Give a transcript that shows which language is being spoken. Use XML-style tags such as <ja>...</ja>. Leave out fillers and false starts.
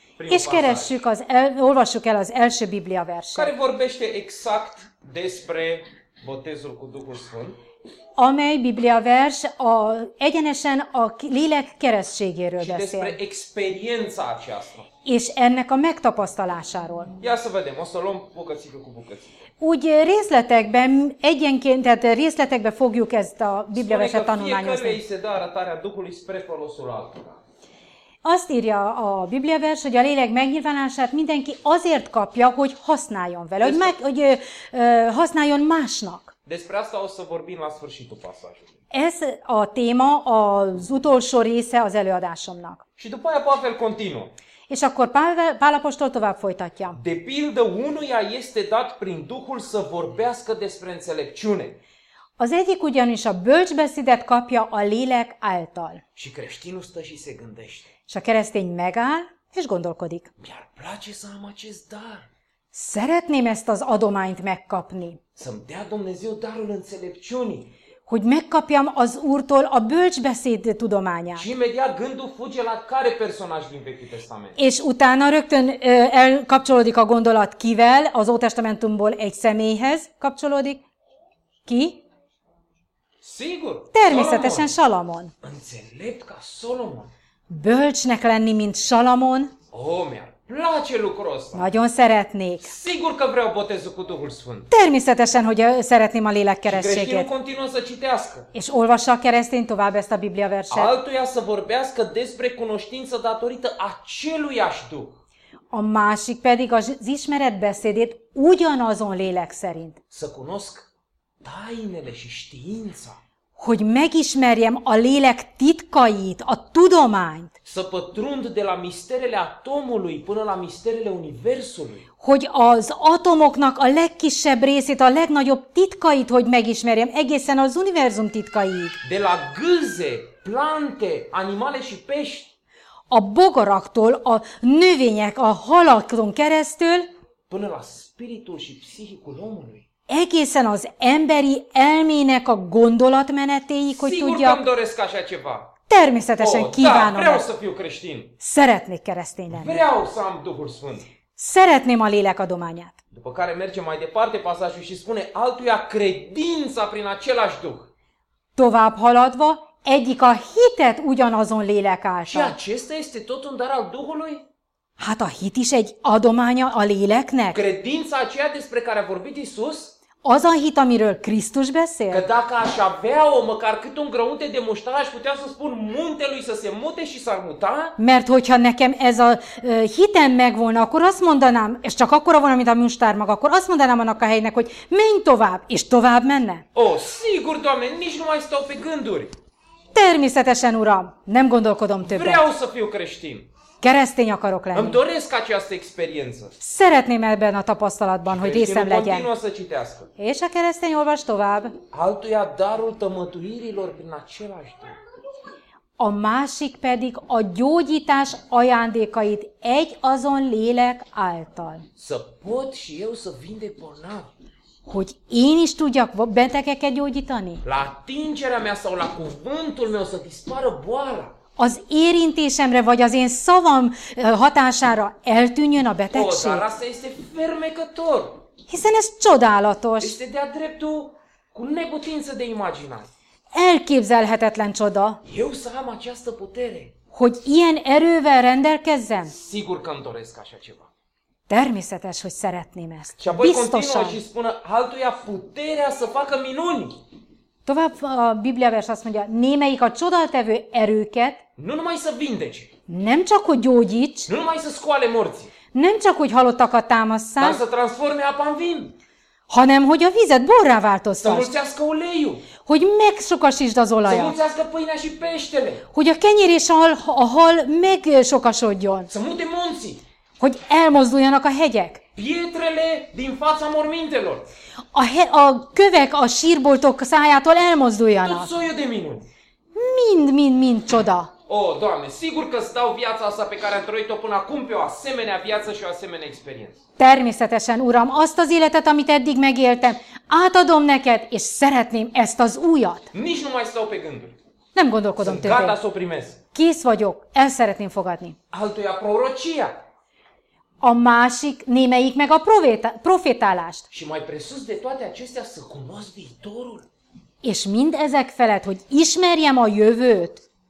<hu>És keressük az olvassuk el az első Biblia verset.</hu> <ro>Care vorbește exact despre botezul cu Duhul Sfânt.</ro> <hu>Amely Biblia vers a egyenesen a lélek keresztségéről beszél.</hu> <ro>Despre experiența aceasta.</ro> <hu>És ennek a megtapasztalásáról.</hu> <ro>Ia să vedem, o să luăm bucățică cu bucățică.</ro> <hu>Úgy részletekben, egyenként, tehát részletekben fogjuk ezt a Biblia verset tanulmányozni.</hu> <ro>Spune că fiecare îi se dă arătarea Duhului spre folosul altora.</ro> <hu>Azt írja a Biblia vers, hogy a lélek megnyilvánását mindenki azért kapja, hogy használjon vele, használjon másnak.</hu> <ro>Despre asta o să vorbim la sfârșitul pasajului.</ro> <hu>Ez a téma az utolsó része az előadásomnak.</hu> <ro>Și după aia Pavel continuă.</ro> <hu>És akkor Pál apostol tovább folytatja.</hu> <ro>De pildă unuia este dat prin Duhul să vorbească despre înțelepciune.</ro> <hu>Az egyik ugyanis a bölcsbeszédet kapja a lélek által.</hu> <ro>Și creștinul stă și se gândește.</ro> <hu>És a keresztény megáll és gondolkodik.</hu> <ro>Mi-ar place să am acest dar.</ro> <hu>Szeretném ezt az adományt megkapni.</hu> <ro>Să-mi dea Dumnezeu darul înțelepciunii.</ro> <hu>Hogy megkapjam az Úrtól a bölcsbeszéd tudományát.</hu> <ro>Și imediat gândul fuge la care personaj din Vechiul Testament.</ro> <hu>És utána rögtön elkapcsolódik a gondolat kivel, az Ótestamentumból egy személyhez kapcsolódik. Ki?</hu> <ro>Sigur.</ro> <hu>Természetesen Salamon.</hu> <ro>Înțelept ca Solomon.</ro> <hu>Bölcsnek lenni, mint Salamon.</hu> <ro>Oh, mi-ar Place lucrul ăsta.</ro> <hu>Nagyon szeretnék.</hu> <ro>Sigur că vreau botezul cu Duhul Sfânt.</ro> <hu>Természetesen, hogy szeretném a lélek keresztségét.</hu> <ro>Și creștinul continuă să citească.</ro> <hu>És olvassa a keresztény tovább ezt a Biblia verset.</hu> <ro>Altuia să vorbească despre cunoștință datorită aceluiași Duh.</ro> <hu>A másik pedig az ismeret beszédét ugyanazon lélek szerint.</hu> <ro>Să cunosc tainele și știința.</ro> <hu>Hogy megismerjem a lélek titkait, a tudományt.</hu> <ro>Să pătrund de la misterele atomului până la misterele universului.</ro> <hu>Hogy az atomoknak a legkisebb részét, a legnagyobb titkait, hogy megismerjem, egészen az univerzum titkait.</hu> <ro>De la gâze, plante, animale și pești.</ro> <hu>A bogaraktól, a növények, a halakon keresztül.</hu> <ro>Până la spiritul și psihicul omului.</ro> <hu>Egészen az emberi elmének a gondolatmenetéig, hogy tudja.</hu> <ro>Sigur că-mi doresc așa ceva.</ro> <hu>Természetesen kívánom.</hu> <ro>Da, vreau să fiu creștin.</ro> <hu>Szeretnék keresztény lenni.</hu> <ro>Vreau să am Duhul Sfânt.</ro> <hu>Szeretném a lélek adományát.</hu> <ro>După care merge mai departe pasajul și spune altuia credința prin același Duh.</ro> <hu>Tovább haladva, egyik a hitet ugyanazon lélek által.</hu> <ro>Și acesta este tot un dar al Duhului?</ro> <hu>Hát a hit is egy adománya a léleknek.</hu> <ro>Credința aceea despre care a vorbit Iisus?</ro> <hu>Az a hit, amiről Krisztus beszél?</hu> <ro>Că dacă aș avea-o măcar cât un grăunte de muștar, aș putea să spun muntelui să se mute și s-ar muta?</ro> <hu>Mert hogyha nekem ez a hitem megvolna, akkor azt mondanám, és csak akkora volna, mint a muștár maga, akkor azt mondanám annak a helynek, hogy menj tovább, és tovább menne.</hu> <ro>Ó, sigur, Doamne, nici nu mai stau pe gânduri.</ro> <hu>Természetesen, Uram, nem gondolkodom többet.</hu> <ro>Vreau să fiu creștin.</ro> <hu>Keresztény akarok lenni.</hu> <ro>Îmi doresc această experiență.</ro> <hu>Szeretném ebben a tapasztalatban, hogy részem legyen.</hu> <ro>Continuă să citească.</ro> <hu>És a keresztény olvas tovább.</hu> <ro>Altuia darul tămătuirilor prin același Duh.</ro> <hu>A másik pedig a gyógyítás ajándékait egy azon lélek által.</hu> <ro>Să pot și eu să vindec bolnav.</ro> <hu>Hogy én is tudjak betegeket gyógyítani.</hu> <ro>La atingerea mea sau la cuvântul meu să dispară boala.</ro> <hu>Az érintésemre, vagy az én szavam hatására eltűnjön a betegség.</hu> <ro>Oh, dar asta este fermecător.</ro> <hu>Hiszen ez csodálatos.</hu> <ro>Este de-a dreptul cu neputință de imaginat.</ro> <hu>Elképzelhetetlen csoda.</hu> <ro>Eu să am această putere.</ro> <hu>Hogy ilyen erővel rendelkezzem.</hu> <ro>Sigur că-mi doresc așa ceva.</ro> <hu>Természetes, hogy szeretném ezt.</hu> <ro>Și apoi continuă și spună altuia puterea să facă minuni.</ro> <hu>Tovább a Biblia vers azt mondja, némelyik a csodatevő erőket,</hu> <ro>nu numai să vindeci,</ro> <hu>nem csak hogy gyógyíts,</hu> <ro>nu numai să scoale morții,</ro> <hu>nem csak hogy halottakat támasszál,</hu> <ro>dar să transforme apa în vin,</ro> <hu>hanem hogy a vizet borrá változtass,</hu> <ro>să mulțească uleiul,</ro> <hu>hogy megsokasítsd az olajat,</hu> <ro>să mulțească pâinea și peștele,</ro> <hu>hogy a kenyér és a hal megsokasodjon,</hu> <ro>să mute munții,</ro> <hu>hogy elmozduljanak a hegyek.</hu> <ro>Pietrele din fața mormintelor.</ro> <hu>A kövek a sírboltok szájától elmozduljanak.</hu> <ro>Tot szója de minun.</ro> <hu>Mind csoda.</hu> <ro>Ó, Doamne, sigur că stau viața asta pe care am trăit-o până acum pe o asemenea viață și o asemenea experiență.</ro> <hu>Természetesen, Uram, azt az életet, amit eddig megéltem, átadom neked, és szeretném ezt az újat.</hu> <ro>Nici nu mai stau pe gânduri.</ro> <hu>Nem gondolkodom többé.</hu> <ro>Sunt gata să o primesc.</ro> <hu>Kész vagyok, el szeretném fogadni.</hu> <ro>Altuia prorocia.</ro> <hu>A másik, némelyik meg a profétálást.</hu> <ro>Și mai presus de toate acestea să cunosc viitorul.</ro> <hu>És mind ezek felett, hogy ismerjem a jövőt.</hu>